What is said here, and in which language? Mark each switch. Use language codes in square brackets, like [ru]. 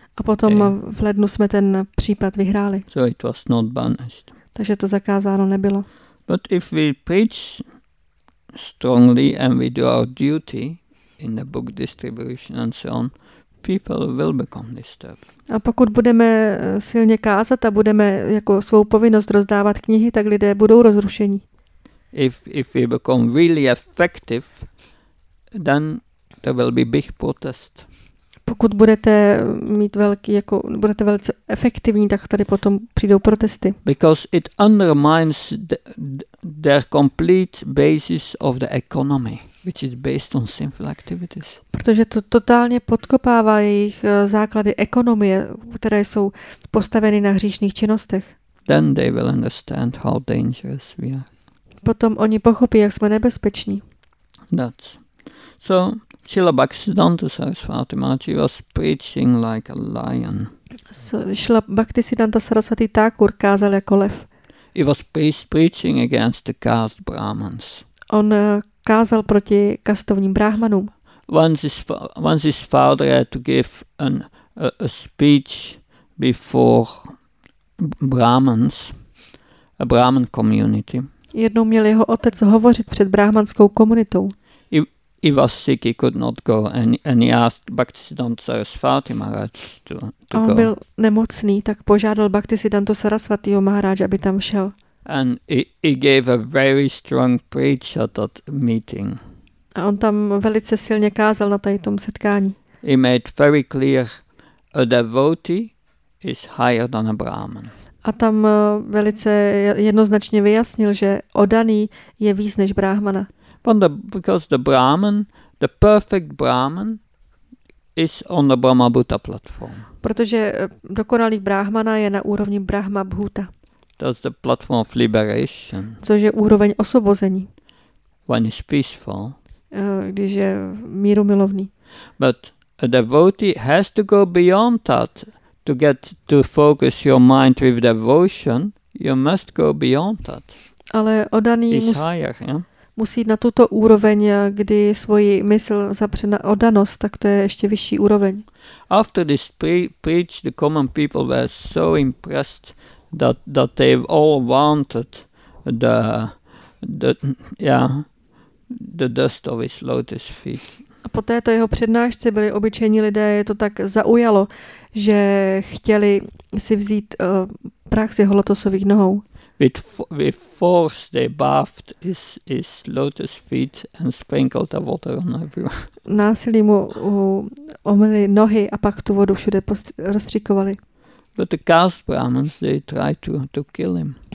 [cs] A potom v lednu jsme ten případ vyhráli. [en] So it was not banished. [cs] Takže to zakázáno nebylo. [en] But if we preach strongly and we do our duty in the book distribution and so on, people will become disturbed. [cs] A pokud budeme silně kázat a budeme jako svou povinnost rozdávat knihy, tak lidé budou rozrušení. [en] If we become really effective, then there will be big protest. [cs] Pokud budete mít velký, jako budete velice efektivní, tak tady potom přijdou protesty. [en] Because it undermines their complete basis of the economy, which is based on sinful activities. [cs] Protože to totálně podkopává jejich základy ekonomie, které jsou postaveny na hříšných činnostech. [en] Then they will understand how dangerous we are. [cs] Potom oni pochopí, jak jsme nebezpeční. [en] That's so. Srila Bhaktisiddhanta Sarasvati Maharaj was preaching like a lion. [cs] Srila Bhaktisiddhanta Sarasvati Thakur kázal jako lev. [en] He was preaching against the caste Brahmans. [cs] On kázal proti kastovním Brahmanům. [en] Once his father had to give a speech before Brahmans, a Brahman community. [cs] Jednou měl jeho otec hovořit před brahmanskou komunitou. [en] He was sick, he could not go, and he asked Bhaktisiddhanta Sarasvati Maharaj to go. [cs] On byl nemocný, tak požádal Bhaktisiddhanta Sarasvatiho Maharaj, aby tam šel. [en] And he gave a very strong preach at that meeting. [cs] A on tam velice silně kázal na tady tom setkání. [en] He made very clear, a devotee is higher than a Brahman. [cs] A tam velice jednoznačně vyjasnil, že oddaný je víc než Brahmana. [en] Because the Brahman, the perfect Brahman, is on the Brahma Bhuta platform. [cs] Protože dokonalý Brahmana je na úrovni Brahma Bhuta. [en] That's the platform of liberation. [cs] Což je úroveň osvobození. [en] When is peaceful. [cs] Když je míru milovný. [en] But a devotee has to go beyond that to get to focus your mind with devotion You must go beyond that. [cs] Ale oddaný musí jít na tuto úroveň, kdy svoji mysl zapře na oddanost, tak to je ještě vyšší úroveň. [en] After this preach, the common people were so impressed that they all wanted the dust of his lotus feet. [cs] A po této jeho přednášce byli obyčejní lidé, je to tak zaujalo, že chtěli si vzít prach z jeho lotosových nohou. [en] With force they bathed his lotus feet and sprinkled the water on everyone. [cs] Násilí mu omyli nohy a pak tu vodu všude rozstříkovali. [en] But the caste Brahmins, they tried to kill him.